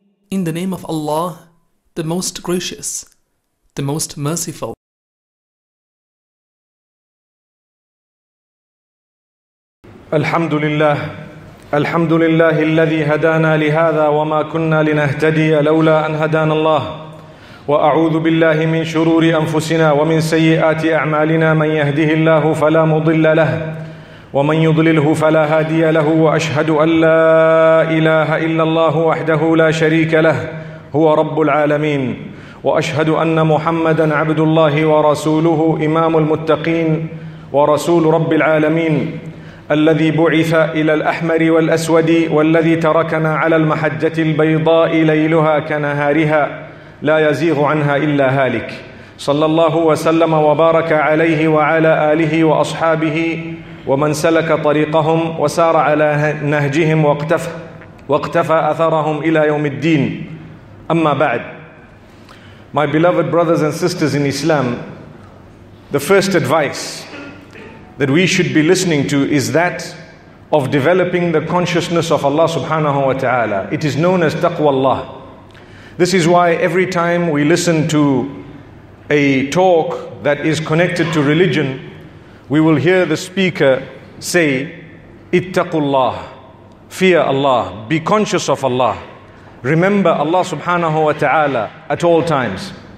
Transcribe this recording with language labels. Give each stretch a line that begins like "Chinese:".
English: In the name of Allah, the Most Gracious, the Most Merciful.
Arabic: الحمد لله الحمد لله الذي هدانا لهذا وما كنا لنهتدي لولا أن هدانا الله وأعوذ بالله من شرور أنفسنا ومن سيئات أعمالنا من يهده الله فلا مضل له ومن يضلله فلا هادي له وأشهد أن لا إله إلا الله وحده لا شريك له هو رب العالمين وأشهد أن محمدًا عبد الله ورسوله إمام المتقين ورسول رب العالمين الذي بعث إلى الأحمر والأسود والذي تركنا على المحجة البيضاء ليلها كنهارها لا يزيغ عنها إلا هالك صلى الله وسلم وبارك عليه وعلى آله وأصحابه ومن سلك طريقهم وسار على نهجهم واقتفى أثرهم إلى يوم الدين أما بعد.
English: My beloved brothers and sisters in Islam, the first advice that we should be listening to is that of developing the consciousness of Allah subhanahu wa ta'ala. It is known as taqwa Allah. This is why every time we listen to a talk that is connected to religion, we will hear the speaker say, ittaqullah, fear Allah, be conscious of Allah, remember Allah subhanahu wa ta'ala at all times.